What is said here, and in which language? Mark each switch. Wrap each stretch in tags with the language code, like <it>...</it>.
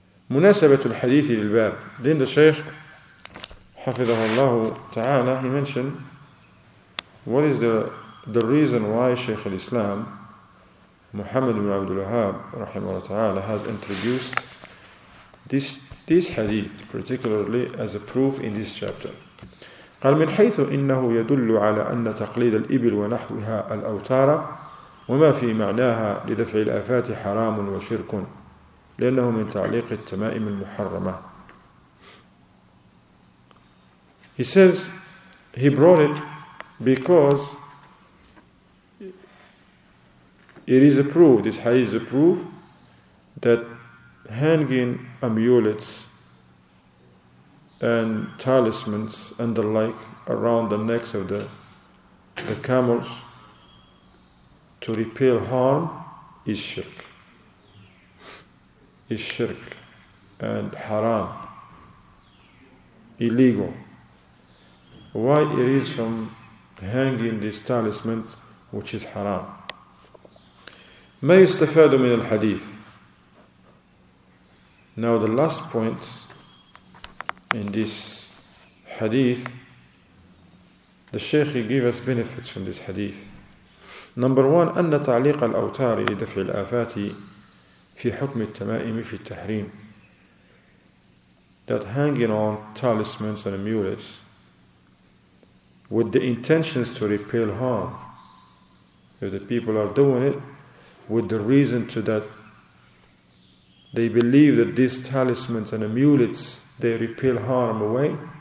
<ar>Munasabatul hadith lil bab.</ar> <en>Then the Shaykh, hafidhahullah ta'ala, he mentioned, what is the reason why Shaykh al-Islam Muhammad ibn Abdul Wahhab rahimahullah ta'ala has introduced this hadith particularly as a proof in this chapter.</en> <ar>قال من حيث إنه يدل على أن تقليد الإبل ونحوها الأوتار وما في معناها لدفع الآفات حرام وشرك لأنه من تعليق التمائم المحرمة.</ar> <en>He says he brought it because it is a proof, this hadith is a proof, that hanging amulets and talismans and the like around the necks of the camels to repel harm is shirk. Is shirk and haram. Illegal. Why it is from hanging this talisman which is haram?</en> <ar>ما يستفاد من الحديث.</ar> <en>Now the last point in this hadith, the Shaykh gave us benefits from this hadith. Number one,</en> <ar>أن تعليق الأوتار لدفع الآفات في حكم التمائم في التحريم.</ar> <en>That hanging on talismans and amulets with the intentions to repel harm, if the people are doing it, with the reason to that, they believe that these talismans and amulets, they repel harm away.</en>